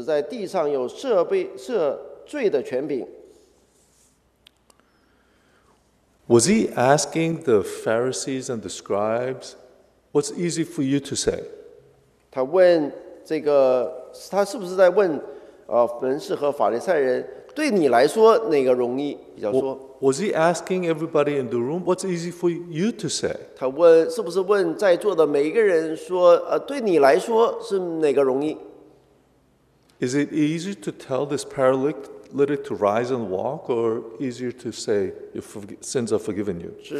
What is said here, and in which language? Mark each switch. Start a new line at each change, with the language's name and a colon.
Chinese: 但要叫你们知道，人只在地上有赦罪的权柄。
English: Was he asking the Pharisees and the scribes, "What's easy for you to say?"
Chinese: 他问这个，他是不是在问？文士和法利赛人对你来说哪个容易比较说？
English: Was he asking everybody in the room what's easy for you to say?
Chinese: 他问是不是问在座的每一个人说，对你来说是哪个容易？
English: Is it easier to tell this paralytic to rise and walk, or easier to say your sins are forgiven you?